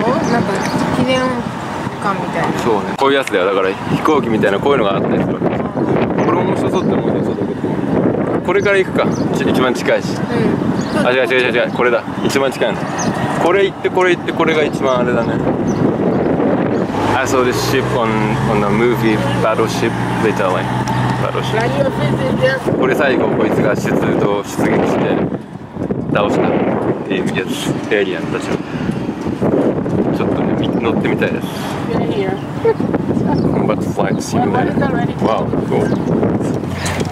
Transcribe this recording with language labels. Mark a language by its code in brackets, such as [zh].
[ja] 入りなんか記念館みたいな、そうね、こういうやつだよ、だから飛行機みたいな、こういうのがあったりする、これも面白そうって思うよ、そうだけど、これから行くか、一番近いし、うん、あ、違う違う違う、これだ、一番近いの、これ行って、これ行って、これが一番あれだね。 [en] I saw this ship on a movie, Battleship, literally. Battleship. [ja] これ最後、こいつが出撃して倒したっていうやつ、エイリアンたちの。ちょっとね、乗ってみたいです。 [en] Combat flight simulator. Wow, cool.